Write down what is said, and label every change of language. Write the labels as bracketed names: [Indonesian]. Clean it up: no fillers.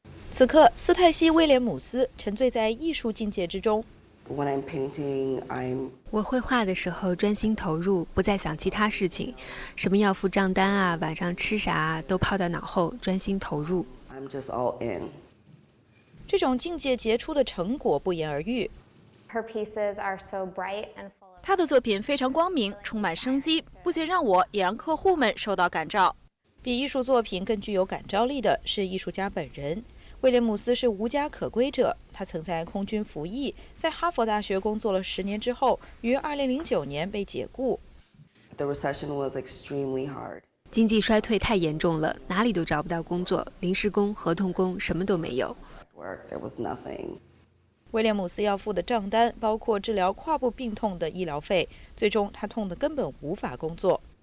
[Chinese] 此刻斯泰西·威廉姆斯沉醉在艺术境界之中。 [English] When I'm painting, I'm [Chinese] 我绘画的时候专心投入，不再想其他事情，什么要付账单啊，晚上吃啥啊，都抛到脑后，专心投入。 [English] I'm just all in。 [Chinese] 这种境界杰出的成果不言而喻。 [English] Her pieces are so bright and full of [Chinese] 她的作品非常光明，充满生机，不仅让我，也让客户们受到感召。比艺术作品更具有感召力的是艺术家本人。威廉姆斯是无家可归者，他曾在空军服役，在哈佛大学工作了10年之后，于2009年被解雇。 [English] The recession was extremely hard. [Chinese] 经济衰退太严重了，哪里都找不到工作，临时工、合同工什么都没有。 [English] There was nothing. [Chinese] 威廉姆斯要付的账单包括治疗胯部病痛的医疗费，最终他痛得根本无法工作。